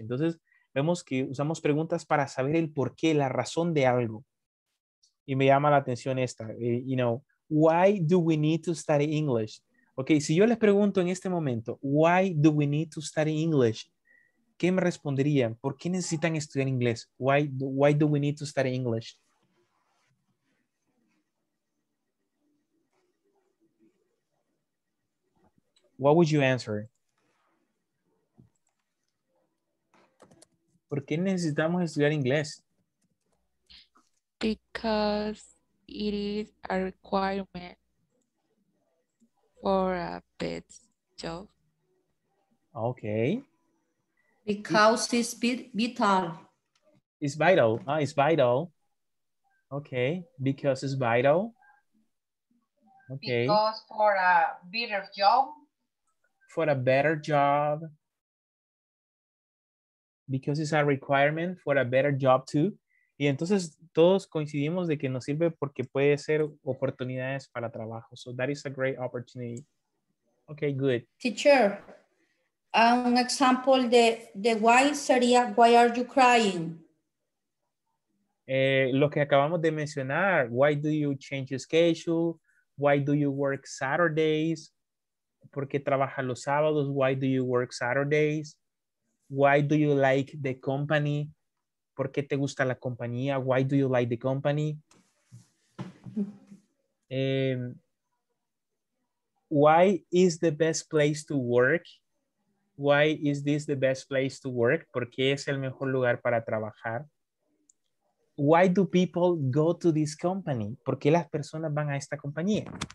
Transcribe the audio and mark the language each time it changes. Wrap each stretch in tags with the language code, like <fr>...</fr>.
<es>Entonces, vemos que usamos preguntas para saber el por qué, la razón de algo. Y me llama la atención esta.</es> <en>You know, why do we need to study English?</en> <es>Okay, si yo les pregunto en este momento,</es> <en>why do we need to study English?</en> <es>¿Qué me responderían? ¿Por qué necesitan estudiar inglés?</es> <en>Why do we need to study English? What would you answer?</en> <es>¿Por qué necesitamos estudiar inglés?</es> <en>Be- because it is a requirement for a bit job. Okay. Because it's vital. It's vital. Ah, it's vital. Okay. Because it's vital. Okay. Because for a better job. For a better job. Because it's a requirement for a better job too.</en> <es>Y entonces todos coincidimos de que nos sirve porque puede ser oportunidades para trabajo.</es> <en>So that is a great opportunity. Okay, good. Teacher, an example de why sería why are you crying?</en> <es>Lo que acabamos de mencionar,</es> <en>why do you change your schedule? Why do you work Saturdays?</en> <es>¿Por qué trabaja los sábados?</es> <en>Why do you work Saturdays? Why do you like the company?</en> <es>¿Por qué te gusta la compañía?</es> <en>Why do you like the company? Why is the best place to work? Why is this the best place to work?</en> <es>¿Por qué es el mejor lugar para trabajar?</es> <en>Why do people go to this company?</en> <es>¿Por qué las personas van a esta compañía?</es>